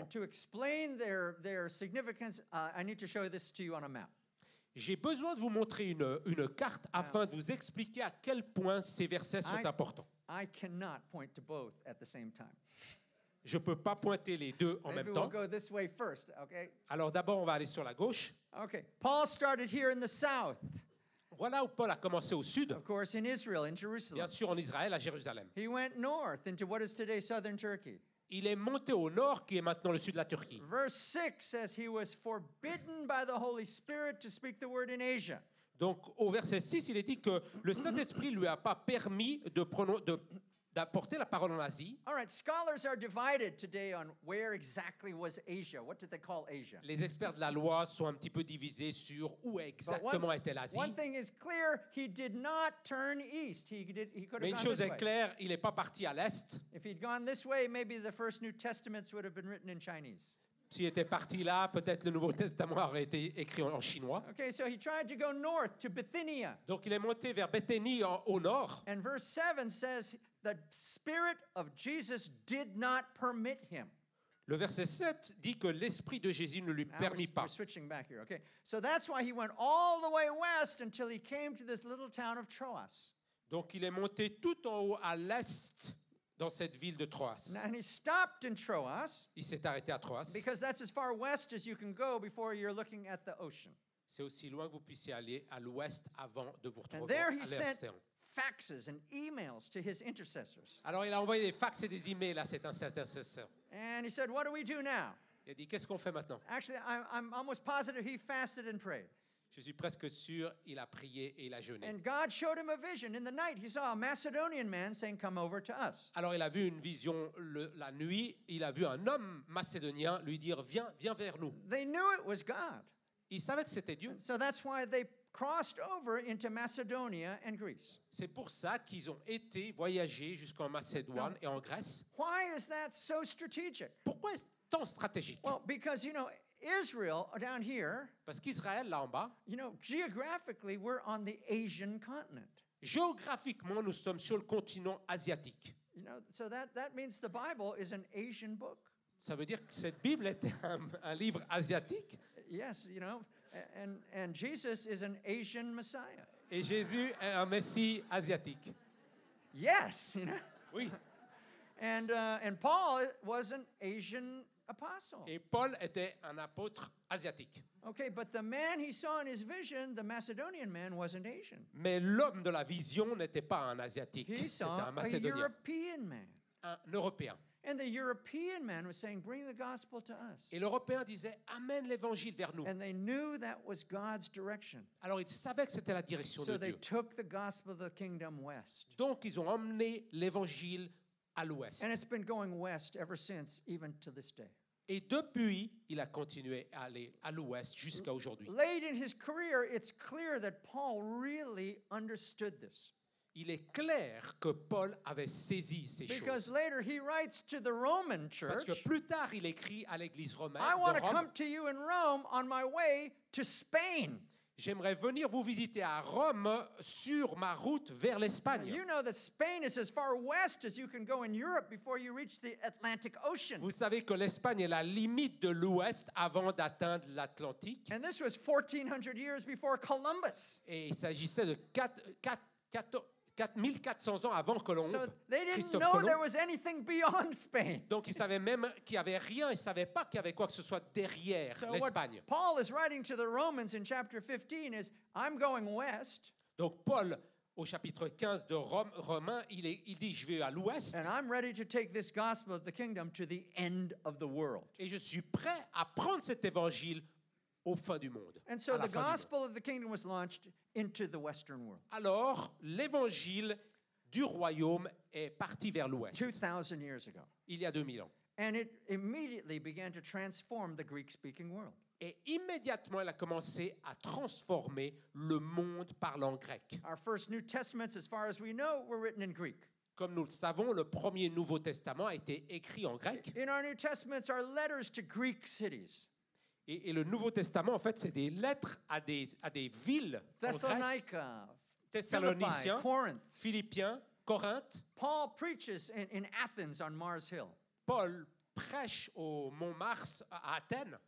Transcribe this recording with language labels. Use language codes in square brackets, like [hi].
[en] And to explain their significance, I need to show this to you on a map. [fr] J'ai besoin de vous montrer une carte afin de vous expliquer à quel point ces versets sont importants. [en] I cannot point to both at the same time. [fr] Je peux pas pointer les deux en [en] maybe [fr] même temps. [en] We'll go this way first, okay? [fr] Alors d'abord, on va aller sur la gauche. [en] Okay. Paul started here in the south. [fr] Voilà où Paul a commencé au sud. [en] Of course, in Israel, in Jerusalem. [fr] Bien sûr, en Israël, à Jérusalem. [en] He went north into what is today southern Turkey. [fr] Il est monté au nord, qui est maintenant le sud de la Turquie. [en] Verse 6 says he was forbidden by the Holy Spirit to speak the word in Asia. [fr] Donc au verset 6, il est dit que le Saint-Esprit lui a pas permis de d'apporter la parole en Asie. [en] All right, scholars are divided today on where exactly was Asia. What did they call Asia? [fr] Les experts de la loi sont un petit peu divisés sur où exactement était l'Asie. [en] One thing is clear, he did not turn east. He could have gone this way. [fr] Mais une chose est claire, il n'est pas parti à l'est. [en] If he'd gone this way, maybe the first New Testaments would have been written in Chinese. [fr] S'il était parti là, peut-être le Nouveau Testament aurait été écrit en chinois. [en] Okay, so he tried to go north to Bithynia. [fr] Donc il est monté vers Bethanie au nord. [en] And verse 7 says the spirit of Jesus did not permit him. [fr] Le verset 7 dit que l'esprit de Jésus ne lui permit pas. [en] We're switching back here, okay. So that's why he went all the way west until he came to this little town of Troas. [fr] Donc il est monté tout en haut à l'est. Dans cette ville de Troas. [en] And he stopped in Troas. [fr] Il s'est arrêté à Troas. [en] Because that's as far west as you can go before you're looking at the ocean. [fr] C'est aussi loin que vous puissiez aller à l'ouest avant de vous retrouver à l'océan. [en] he sent faxes and emails to his intercessors. [fr] Alors il a envoyé des fax et des emails à cet intercesseur. [en] And he said, "What do we do now?" [fr] Il a dit, qu'est-ce qu'on fait maintenant? [en] Actually, I'm almost positive he fasted and prayed. [fr] Je suis presque sûr, il a prié et il a jeûné. [en] And God showed him a vision in the night. He saw a Macedonian man saying, "Come over to us." [fr] Alors il a vu une vision la nuit. Il a vu un homme macédonien lui dire, "Viens, viens vers nous." [en] They knew it was God. [fr] Ils savaient que c'était Dieu. [en] And so that's why they crossed over into Macedonia and Greece. [fr] C'est pour ça qu'ils ont été voyager jusqu'en Macédoine et en Grèce. [en] Why is that so strategic? [fr] Pourquoi est-ce tant stratégique? [en] Well, because you know. Israel down here. [fr] Parce qu'Israël là en bas. [en] You know, geographically, we're on the Asian continent. [fr] Géographiquement, nous sommes sur le continent asiatique. [en] You know, so that means the Bible is an Asian book. [fr] Ça veut dire que cette Bible est un livre asiatique. [en] Yes, you know, and Jesus is an Asian Messiah. [fr] Et Jésus est un Messie asiatique. [en] Yes, you know. [fr] Oui. [en] And Paul was an Asian. Apostle. [fr] Et Paul était un apôtre asiatique. [en] Okay, but the man he saw in his vision, the Macedonian man, wasn't Asian. [fr] Mais l'homme de la vision n'était pas un asiatique. [en] He saw [fr] un Macédonien. [en] A European man. [fr] Un Européen. [en] And the European man was saying, "Bring the gospel to us." [fr] Et l'Européen disait, amène l'Évangile vers nous. [en] And they knew that was God's direction. [fr] Alors ils savaient que c'était la direction de Dieu. [en] So they took the gospel of the kingdom west. [fr] Donc ils ont emmené l'Évangile. À l'ouest. [en] And it's been going west ever since, even to this day. [fr] Et depuis, il a continué à aller à l'ouest jusqu'à aujourd'hui. [en] Late in his career, it's clear that Paul really understood this. [fr] Il est clair que Paul avait saisi ces choses. [en] Because later he writes to the Roman church. [fr] Parce que plus tard, il écrit à l'église romaine. [en] I want to come to you in Rome on my way to Spain. [fr] J'aimerais venir vous visiter à Rome sur ma route vers l'Espagne. [en] You know that Spain is as far west as you can go in Europe before you reach the Atlantic Ocean. [fr] Vous savez que l'Espagne est la limite de l'ouest avant d'atteindre l'Atlantique. [en] And this was 1400 years before Columbus. [fr] Et il s'agissait de 4400 ans avant Colomb. [en] So they didn't Christophe know [fr] Colomb. [en] There was anything beyond Spain. [fr] Donc ils savaient même qu'il y avait rien, ils savaient pas qu'il y avait quoi que ce soit derrière [en] so [fr] l'Espagne. [en] What Paul is writing to the Romans in chapter 15 is I'm going west. [fr] Donc Paul au chapitre 15 de Romains, il dit je vais à l'ouest. [en] And I'm ready to take this gospel of the kingdom to the end of the world. [fr] Et je suis prêt à prendre cet évangile au fin du monde. [en] And so the gospel of the kingdom was launched into the western world. [fr] Alors, l'évangile du royaume est parti vers l'ouest. [en] 2000 years ago. [fr] Il y a 2000 ans. [en] And it immediately began to transform the Greek-speaking world. [fr] Et immédiatement, elle a commencé à transformer le monde parlant grec. [en] Our first New Testaments, as far as we know, were written in Greek. [fr] Comme nous le savons, le premier Nouveau Testament a été écrit en grec. [en] In our New Testaments are letters to Greek cities. [fr] Et le Nouveau Testament, en fait, c'est des lettres à des villes en Grèce. [en] Thessaloniciens, Corinth. [fr] Philippiens, Corinthe. [en] Paul preaches in Athens on Mars Hill. [fr] Paul prêche au Mont Mars à Athènes.